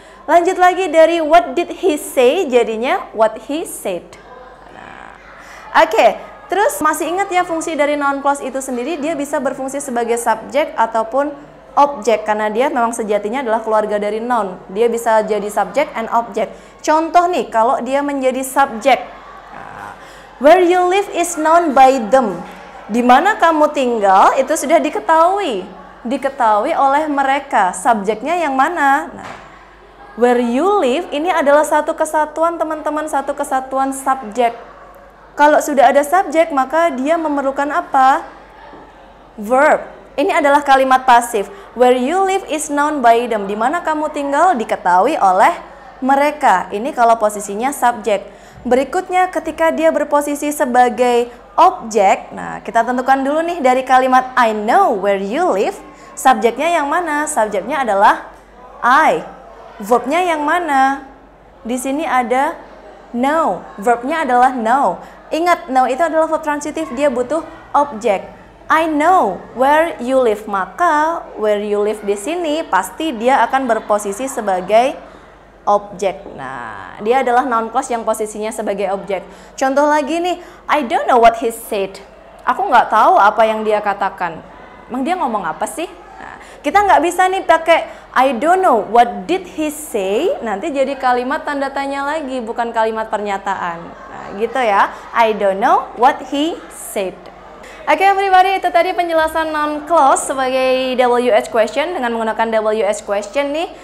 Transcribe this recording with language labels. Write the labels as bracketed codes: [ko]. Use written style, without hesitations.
[id] Lanjut lagi dari [en] what did he say, [id] jadinya [en] what he said. [id] Oke, terus masih ingat ya fungsi dari noun clause itu sendiri, dia bisa berfungsi sebagai subjek ataupun objek, karena dia memang sejatinya adalah keluarga dari noun. Dia bisa jadi subjek and objek. Contoh nih, kalau dia menjadi subjek, [en] where you live is known by them. [id] Di mana kamu tinggal itu sudah diketahui. Diketahui oleh mereka. Subjeknya yang mana? Nah, [en] where you live [id] ini adalah satu kesatuan teman-teman, satu kesatuan subjek. Kalau sudah ada subjek, maka dia memerlukan apa? Verb. Ini adalah kalimat pasif. [en] Where you live is known by them. [id] Di mana kamu tinggal diketahui oleh mereka. Ini kalau posisinya subjek. Berikutnya, ketika dia berposisi sebagai objek, nah kita tentukan dulu nih dari kalimat [en] I know where you live, [id] subjeknya yang mana? Subjeknya adalah I. Verbnya yang mana? Di sini ada know. Verbnya adalah know. Ingat, know itu adalah verb transitive, dia butuh objek. [en] I know where you live, [id] maka [en] where you live [id] di sini pasti dia akan berposisi sebagai objek. Nah, dia adalah noun clause yang posisinya sebagai objek. Contoh lagi nih, [en] I don't know what he said. [id] Aku nggak tahu apa yang dia katakan. Emang dia ngomong apa sih? Nah, kita nggak bisa nih pakai [en] I don't know what did he say. [id] Nanti jadi kalimat tanda tanya lagi, bukan kalimat pernyataan. Nah, gitu ya. [en] I don't know what he said. [id] Oke, everybody, itu tadi penjelasan noun clause sebagai WH question dengan menggunakan WH question nih.